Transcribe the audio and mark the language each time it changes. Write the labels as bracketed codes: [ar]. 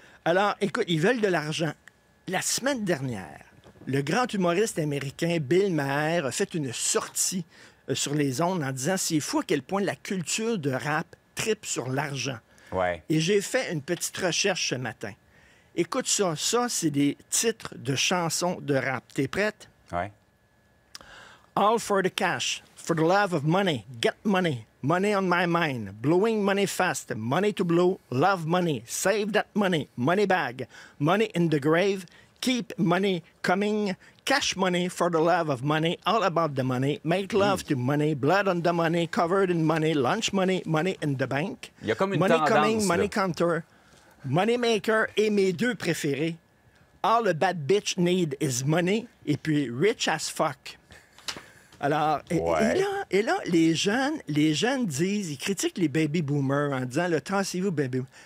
[fr] Alors, écoute, ils veulent de l'argent. La semaine dernière, le grand humoriste américain Bill Maher a fait une sortie sur les ondes en disant « C'est fou à quel point la culture de rap tripe sur l'argent. » Ouais. Et j'ai fait une petite recherche ce matin. Écoute ça, ça, c'est des titres de chansons de rap. T'es prête? Ouais. [en] All for the cash, for the love of money, get money, money on my mind, blowing money fast, money to blow, love money, save that money, money bag, money in the grave, keep money coming, cash money for the love of money, all about the money, make love to money, blood on the money, covered in money, lunch money, money in the bank. [fr] Il y a comme une [en] money [fr] tendance, [en] coming, [fr] là. [en] Money counter, money maker [fr] et mes deux préférés. [en] All a bad bitch need is money [fr] et puis [en] rich as fuck. [fr] Alors, et là, les jeunes disent, ils critiquent les baby boomers en disant, le tassez-vous baby.